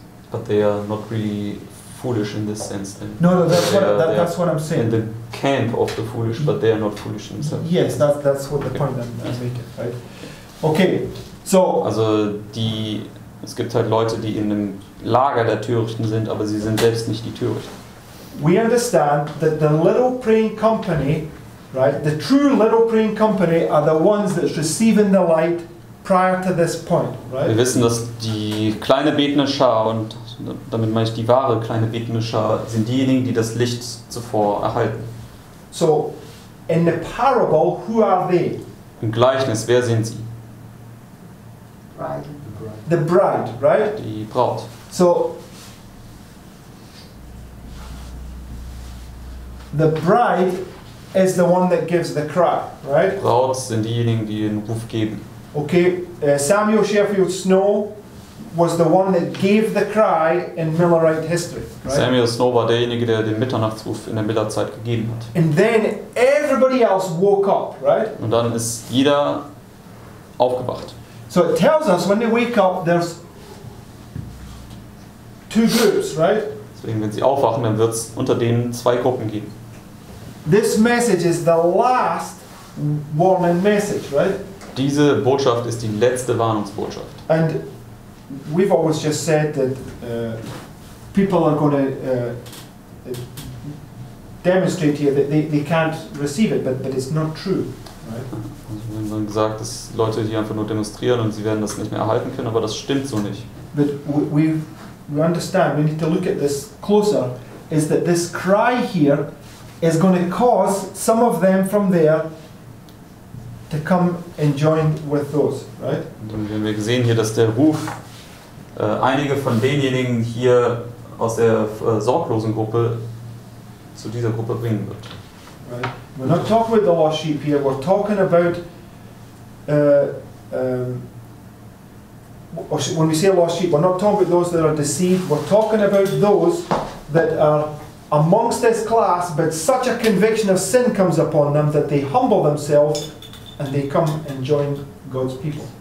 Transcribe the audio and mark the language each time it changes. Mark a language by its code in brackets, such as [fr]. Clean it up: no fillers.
[en] But they are not really foolish in this sense then. No, that's what I'm saying. In the camp of the foolish, but they are not foolish in themselves. Yes, that's what the point I'm making, right? Okay, so. [de] Also es gibt halt Leute, die in dem Lager der Törichten sind, aber sie sind selbst nicht die Törichten. [en] We understand that the little praying company, right, the true little praying company are the ones that's receiving the light prior to this point, right? [de] Wir wissen, dass die kleine betende Schar, und damit meine ich die wahre kleine betende Schar, sind diejenigen, die das Licht zuvor erhalten. [en] So, in the parable, who are they? [de] Im Gleichnis, wer sind sie? [en] The bride, right? [de] Die Braut. [en] So, the bride is the one that gives the cry, right? [de] Braut sind diejenigen, die den Ruf geben. [en] Okay, Samuel Sheffield Snow was the one that gave the cry in Millerite history, right? [de] Samuel Snow war derjenige, der den Mitternachtsruf in der Millerzeit gegeben hat. [en] And then everybody else woke up, right? [de] Und dann ist jeder aufgewacht. [en] So it tells us when they wake up, there's two groups, right? [de] Deswegen, wenn sie aufwachen, dann wird's unter denen zwei Gruppen geben. [en] This message is the last warning message, right? [de] Diese Botschaft ist die letzte Warnungsbotschaft. [en] And we've always just said that people are going to demonstrate here that they can't receive it, but it's not true. Right? [de] Also, dann gesagt, dass Leute hier einfach nur demonstrieren und sie werden das nicht mehr erhalten können, aber das stimmt so nicht. [en] But we understand, we need to look at this closer, is that this cry here is going to cause some of them from there to come and join with those, right? [de] Und dann haben wir gesehen hier, dass der Ruf einige von denjenigen hier aus der sorglosen Gruppe zu dieser Gruppe bringen wird. [en] Right. We're not talking about the lost sheep here, we're talking about when we say lost sheep, we're not talking about those that are deceived, we're talking about those that are amongst this class, but such a conviction of sin comes upon them that they humble themselves and they come and join God's people.